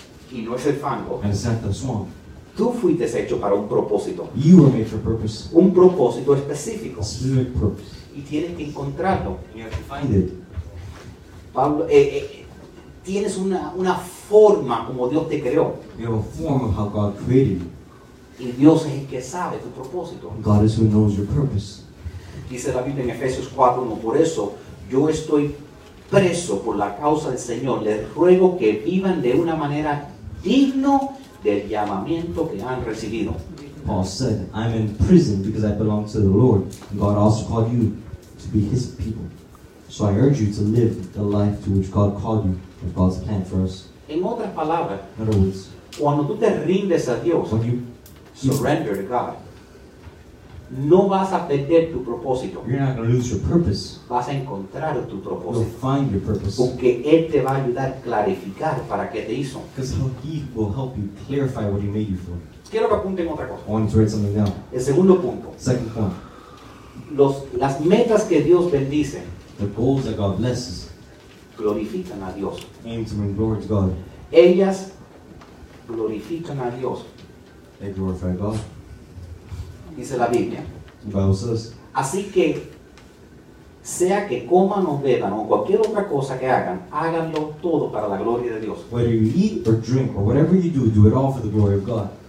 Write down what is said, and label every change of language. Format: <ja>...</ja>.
<es>Y no es el fango.</es> <en>And it's not the swamp.</en> <es>Tú fuiste hecho para un propósito.</es> <en>You were made for a purpose.</en> <es>Un propósito específico.</es> <en>A specific purpose.</en> <es>Y tienes que encontrarlo.</es> <en>And you have to find it.</en> <es>Pablo, tienes una forma como Dios te creó.</es> <en>You have a form of how God created you.</en> <es>Y Dios es el que sabe tu propósito.</es> <en>God is who knows your purpose.</en> <es>Dice la Biblia en Efesios 4:1, por eso yo estoy preso por la causa del Señor. Les ruego que vivan de una manera digno del llamamiento que han recibido.</es> <en>Paul said, I'm in prison because I belong to the Lord. God also called you to be his people. So I urge you to live the life to which God called you, of God's plan for us.</en> <es>En otras palabras,</es> <en>in other words,</en> <es>cuando tú te rindes a Dios,</es> <en>when you surrender to God.</en> <es>No vas a perder tu propósito.</es> <en>You're not going to lose your purpose.</en> <es>Vas a encontrar tu propósito.</es> <en>You'll find your purpose.</en> <es>Porque Él te va a ayudar a clarificar para qué te hizo.</es> <en>Because He will help you clarify what He made you for.</en> <es>Quiero que apunten otra cosa.</es> <en>I want to write something down.</en> <es>El segundo punto.</es> <en>Second point.</en> <es>Las metas que Dios bendice.</es> <en>The goals that God blesses.</en> <es>Glorifican a Dios.</es> <en>Aim to bring glory to God.</en> <es>Ellas glorifican a Dios.</es> <en>They glorify God.</en> <es>Dice la Biblia.</es> <en>The Bible says.</en> <es>Así que Sea que coman o beban o cualquier otra cosa que hagan, háganlo todo para la gloria de Dios.</es> <en>Whether you eat or drink or whatever you do, do it all for the glory of God.</en>